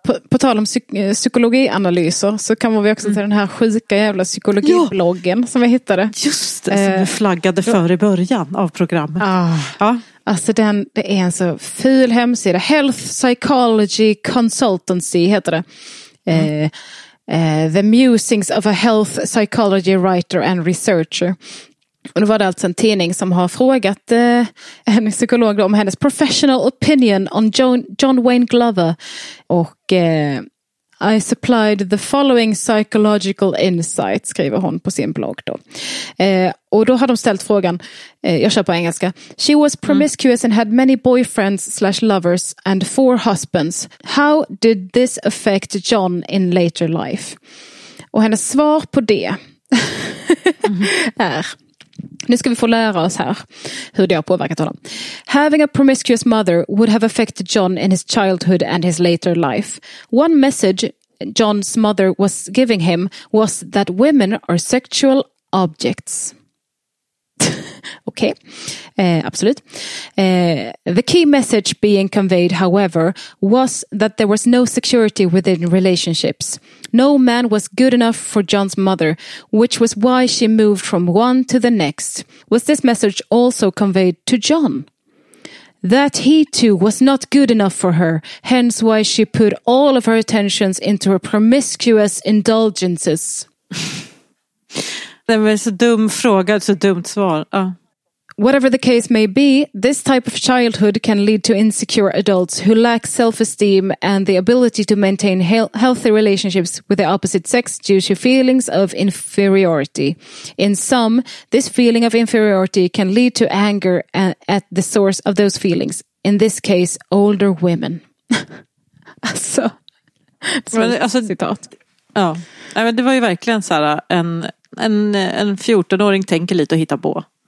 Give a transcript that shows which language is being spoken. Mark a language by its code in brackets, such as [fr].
[sv] På tal om psykologianalyser så kan vi också till den här sjuka jävla psykologibloggen som vi hittade. Just det, som vi flaggade för i början av programmet. Ja. Alltså det är en så ful hemsida. Health Psychology Consultancy heter det. [en] The Musings of a Health Psychology Writer and Researcher. [sv] Och nu var det alltså en tidning som har frågat en psykolog om hennes [en] professional opinion on [sv] John Wayne Glover. Och [en] I supplied the following psychological insights, [sv] skriver hon på sin blogg då. Och då har de ställt frågan, jag kör på engelska. [en] She was promiscuous and had many boyfriends / lovers and four husbands. How did this affect John in later life? [sv] Och hennes svar på det är... Nu ska vi få lära oss här hur det har påverkat honom. [en] Having a promiscuous mother would have affected John in his childhood and his later life. One message John's mother was giving him was that women are sexual objects. [sv] Okej, absolut. [en] The key message being conveyed, however, was that there was no security within relationships. No man was good enough for John's mother, which was why she moved from one to the next. Was this message also conveyed to John? That he too was not good enough for her, hence why she put all of her attentions into her promiscuous indulgences. [sv] Det var så dum fråga, så dumt svar. Ja. [en] Whatever the case may be, this type of childhood can lead to insecure adults who lack self-esteem and the ability to maintain healthy relationships with the opposite sex due to feelings of inferiority. In sum, this feeling of inferiority can lead to anger at the source of those feelings. In this case, older women. [sv] Alltså, citat. Ja, men det var ju verkligen så här, en 14-åring tänker lite och hittar på.